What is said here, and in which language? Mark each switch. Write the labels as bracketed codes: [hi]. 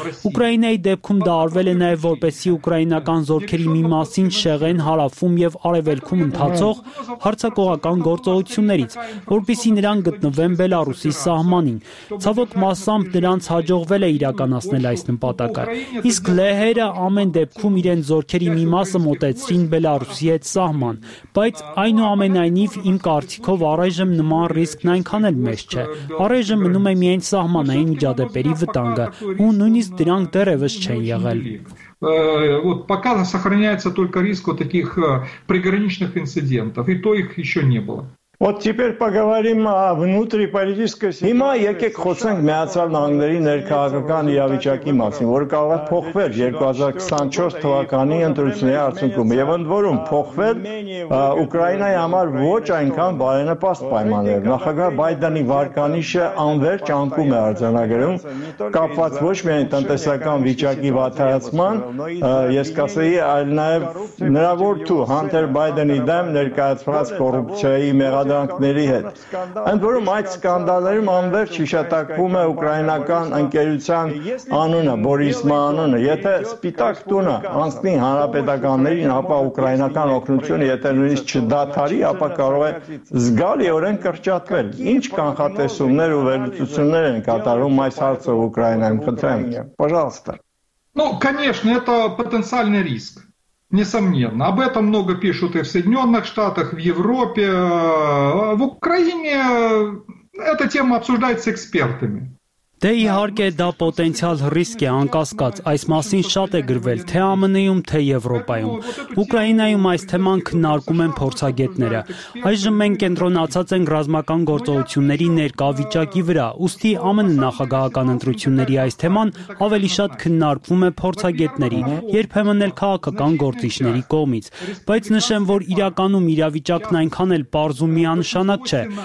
[hy] Ուկրաինայի դեպքում դա արվել է նաև որպեսի ուկրաինական զորքերի մի մասին շեղեն հարավում և արևելքում ընթացող հարձակողական գործողություններից, որպիսի նրան գտնվեն Բելարուսի սահմանին։ Ցավոք մասամբ նրանց հաջողվել է իրականացնել այս նպատակը, իսկ լեհերը ամեն դեպքում իրենց զորքերի մի մասը մոտեցրին Բելարուսի հետ սահման, բայց այնուամենայնիվ իմ կարծիքով առայժմ նման ռիսկն այնքան էլ մեծ չէ։ Առայժմ մնում է միայն սահմանային միջադեպերի վտանգը, ու նույնիսկ դրանք դեռևս չեն եղել։ [ru] Вот пока сохраняется только риск вот таких приграничных инцидентов, и то их еще не было. Вот теперь поговорим о внутриполитической ситуации. [hy] Հիմա եկեք խոսենք միացյալ նահանգների ներքաղաքական իրավիճակի մասին, որը կարող է փոխվել 2024 թվականի ընտրությունների արդյունքում եւ ընդ որում փոխվել Ուկրաինայի համար ոչ այնքան բարենպաստ պայմաններ։ Նախագահ Բայդենի վարկանիշը անվերջ անկում է արձանագրում, կապված ոչ միայն տնտեսական վիճակի վատացման, ես կասեի, այլ նաեւ նրա որդու Հանթեր Բայդենի դեմ ներկայացված կոռուպցիայի հադրանքների հետ։ Ընդ որում այդ սկանդալներում անվերջ հիշատակվում է ուկրաինական ընկերության անունը, Բորիսմա անունը, եթե Սպիտակ տունը անցնի հանրապետականներին, ապա ուկրաինական օգնությունը, եթե նույնիսկ չդադարի, ապա կարող է զգալիորեն կրճատվել։ Ինչ կանխատեսումներ ու վերլուծություններ են կատարում այս հարցը ուկրաինայում, խնդրեմ, [ru] пожалуйста։ Ну, конечно, это потенциальный риск. Несомненно. Об этом много пишут и в Соединенных Штатах, в Европе. В Украине эта тема обсуждается экспертами. [hy] Դե իհարկե դա պոտենցիալ ռիսկ է, անկասկած, այս մասին շատ է գրվել թե ԱՄՆ-ում, թե Եվրոպայում։ Ուկրաինայում այս թեման քննարկում են փորձագետները։ Այժմ մենք կենտրոնացած ենք ռազմական գործողությունների ներկա վիճակի վրա, ուստի ԱՄՆ նախագահական ընտրությունների այս թեման ավելի շատ քննարկվում է փորձագետների, երբեմն էլ քաղաքական գործիչների կողմից, բայց նշեմ, որ իրականում իրավիճակն այնքան էլ պարզ ու միանշանակ չէ։